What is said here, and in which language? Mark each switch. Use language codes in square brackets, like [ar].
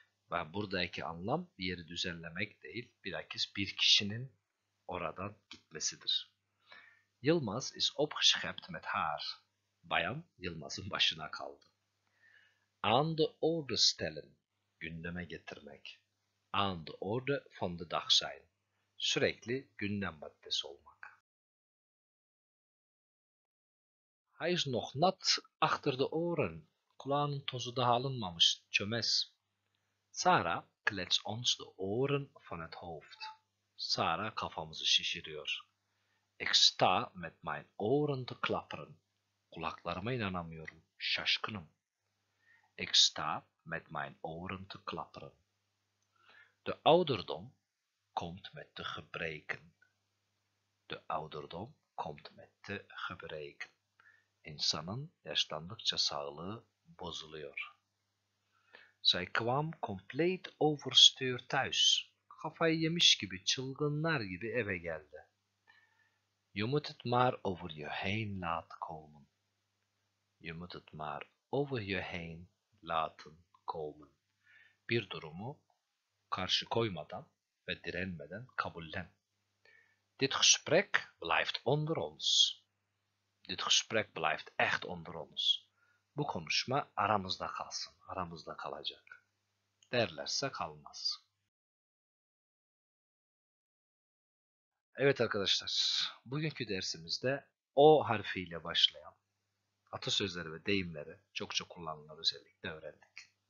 [tr] Ve buradaki anlam bir yeri düzenlemek değil, bilakis bir kişinin oradan gitmesidir. [nl] Yılmaz is opgeschept met haar. [tr] Bayan Yılmaz'ın başına kaldı. [nl] Aan de orde stellen, [tr] gündeme getirmek. [nl] Aan de orde van de dag zijn, [tr] sürekli gündem maddesi olmak. [nl] Hij is nog nat achter de oren, [tr] kulağının tozu daha alınmamış, çömez. [nl] Sara klets ons de oren van het hoofd. [tr] Sara kafamızı şişiriyor. [nl] Ik sta met mijn oren te klapperen. [tr] Kulaklarıma inanamıyorum. Şaşkınım. [nl] Ik sta met mijn oren te klapperen. De ouderdom komt met te gebreken. De ouderdom komt met te gebreken. [tr] İnsanın yaşlandıkça sağlığı bozuluyor. [nl] Zij kwam compleet overstuur thuis. [tr] Kafayı yemiş gibi, çılgınlar gibi eve geldi. [nl] Je moet het maar over je heen laten komen. Je moet het maar over je heen laten komen. [tr] Bir durumu karşı koymadan ve direnmeden kabullen. [nl] Dit gesprek blijft onder ons. Dit gesprek blijft echt onder ons. [tr] Bu konuşma aramızda kalsın, aramızda kalacak. Derlerse kalmaz. Evet arkadaşlar, bugünkü dersimizde O harfiyle başlayan atasözleri ve deyimleri çokça kullanılan özellikle öğrendik.